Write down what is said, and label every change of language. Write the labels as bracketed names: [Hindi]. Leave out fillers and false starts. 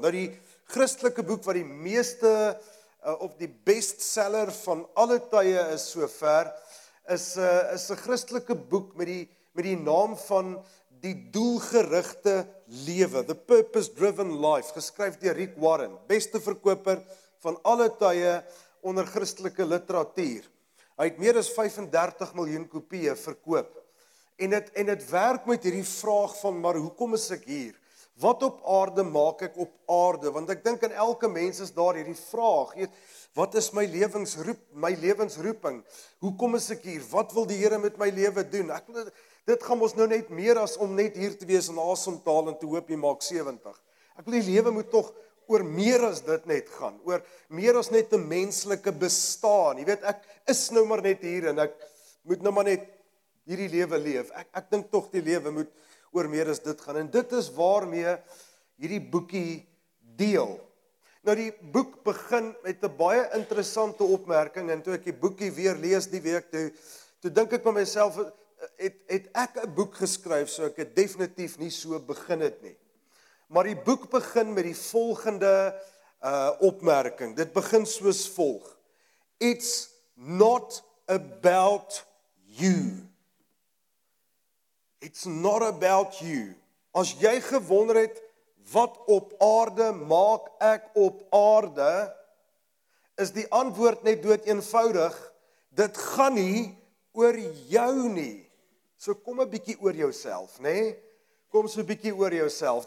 [Afrikaans] Nou die Christelike boek wat die meeste of die bestseller van alle tye is so ver, is 'n Christelike boek met die naam van die doelgerigte lewe, The Purpose Driven Life, geskryf deur Rick Warren, beste verkoper van alle tye onder Christelike literatuur. Hy het meer as 35 miljoen kopieë verkoop. En dit werk met hierdie vraag van, maar hoekom is ek hier? Wat op aarde maak ek op aarde? Want ek dink aan elke mens is daar hierdie vraag. Wat is my lewensroeping? Hoekom is ek hier? Wat wil die Here met my lewe doen? Dit gaan ons nou net meer as om net hier te wees en asem te haal en te hoop jy maak 70. Ek wil die lewe moet tog oor meer as dit net gaan. Oor meer as net 'n menslike bestaan. Jy weet, ek is nou maar net hier en ek moet nou maar net hierdie lewe leef. Ek dink tog die lewe moet oor meer as dit gaan. En dit is waarmee hierdie boekie deel. Nou die boek begin met 'n baie interessante opmerking en toe ek die boekie weer lees die week toe dink ek by myself, het ek 'n boek geskryf, so ek het definitief nie so begin het nie. Maar die boek begin met die volgende opmerking. Dit begin soos volg. [English] It's not about you. It's not about you. [Afrikaans] As jy gewonder het, wat op aarde maak ek op aarde, is die antwoord net dood eenvoudig, dit gaan nie oor jou nie. So kom 'n bietjie oor jouself, nê? Kom so 'n bietjie oor jouself.